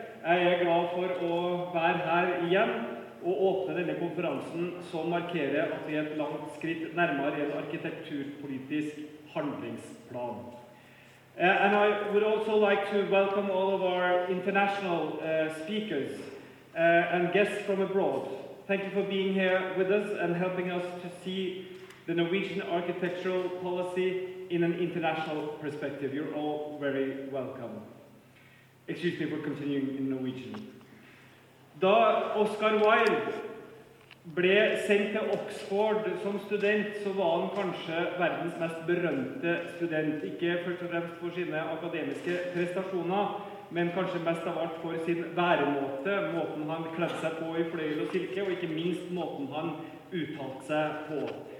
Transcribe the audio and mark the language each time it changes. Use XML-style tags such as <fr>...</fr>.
<no>Jeg glad for å være her igjen og åpne denne konferansen som markerer at vi et langt skritt nærmere en arkitekturpolitisk handlingsplan.</no> <en>And I would also like to welcome all of our international speakers and guests from abroad. Thank you for being here with us and helping us to see the Norwegian architectural policy in an international perspective. You're all very welcome. Excuse me for continuing in Norwegian.</en> <no>Da Oscar Wilde ble sendt til Oxford som student, så var han kanskje verdens mest berømte student. Ikke først og fremst for sine akademiske prestasjoner, men kanskje mest av alt for sin væremåte, måten han kledde seg på i fløyel og silke, og ikke minst måten han uttalte seg på.</no>